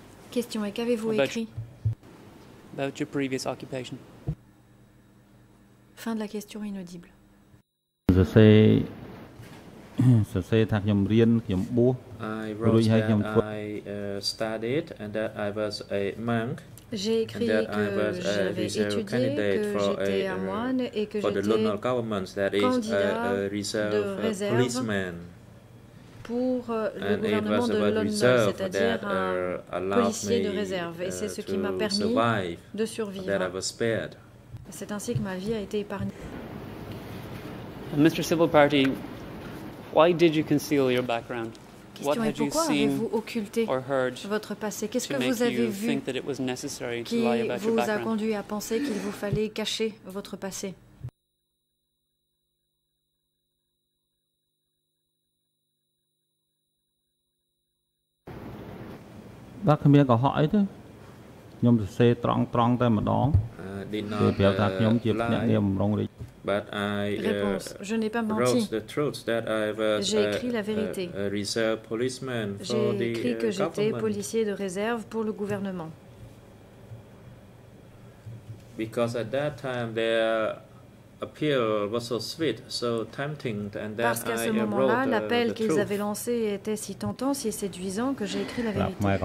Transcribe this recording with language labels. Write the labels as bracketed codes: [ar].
[fr] Question et qu'avez-vous écrit? [en] About your previous occupation. [fr] Fin de la question inaudible. Je sais tha khom rien khom bu. [en] I wrote that I studied and that I was a monk. [fr] J'ai écrit que j'avais étudié, que j'étais un moine et que j'étais candidat de réserve pour le gouvernement de Lon Nol, c'est-à-dire un policier de réserve. Et c'est ce qui m'a permis de survivre. C'est ainsi que ma vie a été épargnée. [en] Mr. Civil Party, why did you conceal your background? [fr] Question est pourquoi avez-vous occulté votre passé? Qu'est-ce que vous avez vu qui vous a conduit à penser qu'il vous fallait cacher votre passé? [en] But I [fr] je n'ai pas menti. [en] Wrote the truth that I was a reserve policeman for the [fr] j'ai écrit que [en] government. [fr] J'étais policier de réserve pour le gouvernement. [en] Because at that time there appeal was so sweet, so tempting, and that [fr] parce qu'à ce moment-là, l'appel qu'ils avaient lancé était si tentant, si séduisant, que j'ai écrit la vérité.